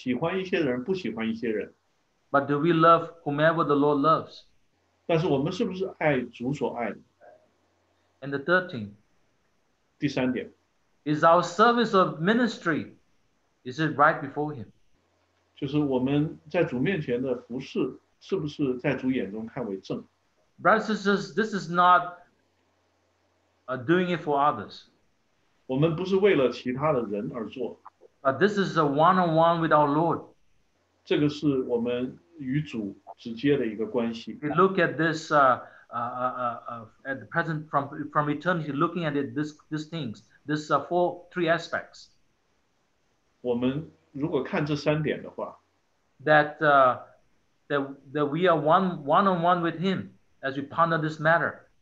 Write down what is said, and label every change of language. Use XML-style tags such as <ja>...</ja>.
<zh>也许过去我们会喜欢一些人，不喜欢一些人。</zh> <en>But do we love whomever the Lord loves?</en> <zh>但是我们是不是爱主所爱的？</zh> <en>And the third thing.</en> <zh>第三点。</zh> <en>Is our service of ministry, is it right before him?</en> <zh>就是我们在主面前的服事，是不是在主眼中看为正？</zh> <en>Brothers and sisters, this is not doing it for others.</en> <zh>我们不是为了其他的人而做。</zh> <en>But this is a one-on-one with our Lord.</en> <zh>这个是我们与主直接的一个关系。</zh> <en>We look at this at the present from eternity, looking at it, these things. This are three aspects.</en> <zh>我们如果看这三点的话,</zh> <en>that we are one on one with him as we ponder this matter.</en>